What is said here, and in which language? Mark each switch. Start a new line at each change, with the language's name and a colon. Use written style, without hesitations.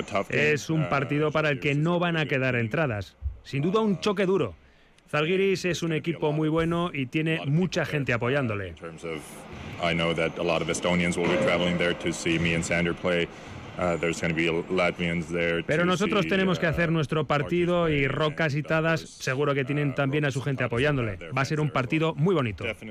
Spanish: es un partido para el que no van a quedar entradas. Sin duda un choque duro. Zalgiris es un equipo muy bueno y tiene mucha gente apoyándole.
English: I know that a lot of Estonians will be traveling there to see me and Sander play. There's going to be Latvians there.
Spanish: Pero nosotros tenemos que hacer nuestro partido y Roca y Tadas seguro que tienen también a su gente apoyándole. Va a ser un partido muy bonito.